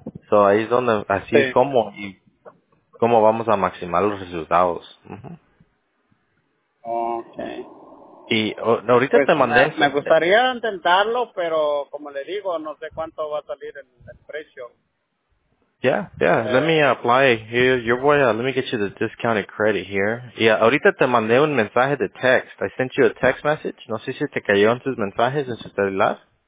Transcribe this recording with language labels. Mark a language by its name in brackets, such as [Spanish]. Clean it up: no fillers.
[Spanish] So, ahí es donde, es como, y cómo vamos a maximizar los resultados. [English] Okay. [Spanish] Y ahorita pues te mandé. Me gustaría intentarlo, pero como le digo, no sé cuánto va a salir el precio. [English] Let me apply here. Let me get you the discounted credit here. [Spanish] Ahorita te mandé un mensaje de text. [English] I sent you a text message. [Spanish] No sé si te cayó en tus mensajes en su celular.